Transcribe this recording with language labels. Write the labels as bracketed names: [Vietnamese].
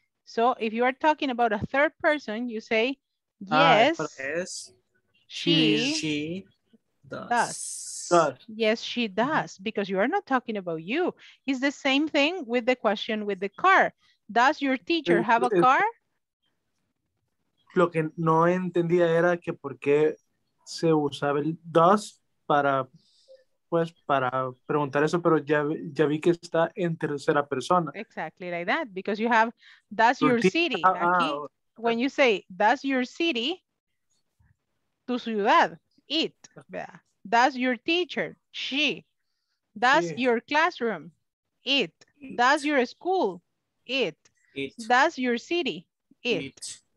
[English] So if you are talking about a third person, you say, yes, she does. Yes, she does. Because you are not talking about you. It's the same thing with the question with the car. Does your teacher have a car? [Spanish] Lo que no entendía era que por qué se usaba el does para, pues, para preguntar eso, pero ya vi que está en tercera persona. [English] Exactly like that, because you have, does your city. [Spanish] Aquí, [English] when you say, does your city, [Spanish] tu ciudad, [English] it. Does your teacher, she. Does your classroom, it. Does your school, it. Does your city, it.